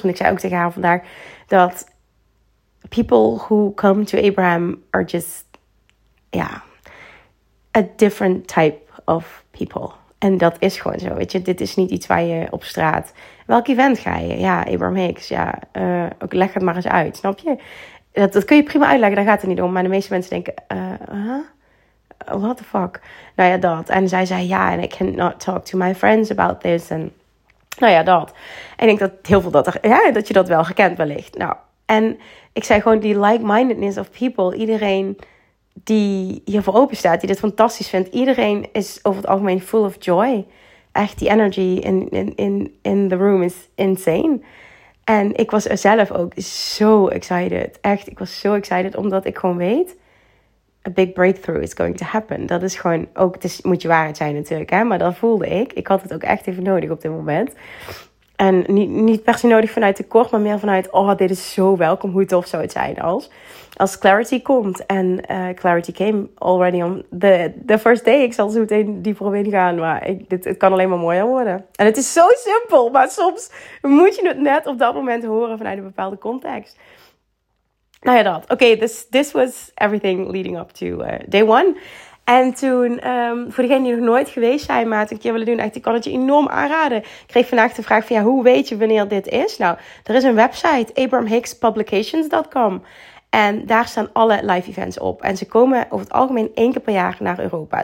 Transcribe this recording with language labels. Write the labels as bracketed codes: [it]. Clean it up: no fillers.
[nl] Want ik zei ook tegen haar vandaag dat [en] people who come to Abraham are just, ja, a different type of people. [nl] En dat is gewoon zo, weet je. Dit is niet iets waar je op straat. Welk event ga je? Ja, Abraham Hicks. Ja, ook leg het maar eens uit, snap je? Dat kun je prima uitleggen, daar gaat het niet om. Maar de meeste mensen denken, [en] what the fuck? [nl] Nou ja, dat. En zij zei, ja, [en] and I cannot talk to my friends about this. [nl] En nou ja, dat. En ik denk dat heel veel dat je dat wel gekend wellicht. Nou, en ik zei gewoon die [en] like-mindedness of people. [nl] Iedereen die hier voor open staat, die dit fantastisch vindt. Iedereen is over het algemeen [en] full of joy. [nl] Echt, die [en] energy in the room is insane. [nl] En ik was zelf ook zo excited. Echt, ik was zo excited omdat ik gewoon weet, [en] a big breakthrough is going to happen. [nl] Dat is gewoon ook, het is, moet je waarheid zijn natuurlijk, hè? Maar dat voelde ik. Ik had het ook echt even nodig op dit moment. En niet per se nodig vanuit tekort, maar meer vanuit, oh, dit is zo welkom. Hoe tof zou het zijn als clarity komt. [en] En clarity came already on the first day. [nl] Ik zal zo meteen dieper op ingaan, maar het kan alleen maar mooier worden. En het is zo simpel, maar soms moet je het net op dat moment horen vanuit een bepaalde context. Nou ja, dat. [en] Oké, this was everything leading up to day one. [nl] En toen, voor degenen die nog nooit geweest zijn, maar het een keer willen doen, echt, ik kan het je enorm aanraden. Ik kreeg vandaag de vraag van, ja, hoe weet je wanneer dit is? Nou, er is een website, abrahamhickspublications.com. En daar staan alle live events op. En ze komen over het algemeen 1 keer per jaar naar Europa.